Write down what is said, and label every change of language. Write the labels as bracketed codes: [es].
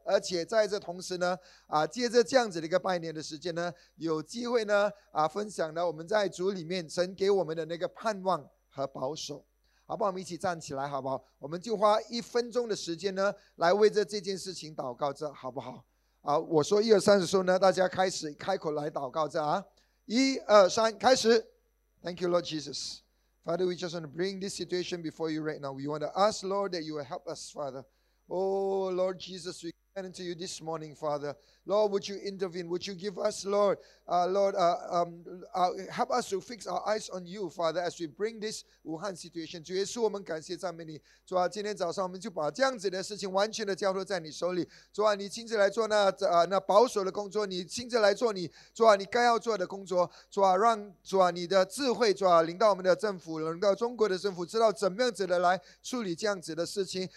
[zh] 而且在这同时呢借着这样子的一个拜年的时间呢，有机会呢分享呢我们在主里面神给我们的那个盼望和保守，好不好？我们一起站起来好不好？我们就花一分钟的时间呢来为着这件事情祷告着好不好。我说一二三的时候呢，大家开始开口来祷告着一二三开始。 [en] Thank you Lord Jesus. Father, we just want to bring this situation before you right now. We want to ask Lord that you will help us, Father. Oh Lord Jesus, we come to you this morning, Father. Lord, would you intervene? Would you give us, Lord, help us to fix our eyes on you, Father, as we bring this Wuhan situation. [zh] 主耶稣，我们感谢赞美你。主啊，今天早上我们就把这样子的事情完全的交托在你手里。主啊，你亲自来做那保守的工作，你亲自来做你，主啊，你该要做的工作。主啊，让主啊你的智慧，主啊，临到我们的政府，临到中国的政府，知道怎么样子的来处理这样子的事情。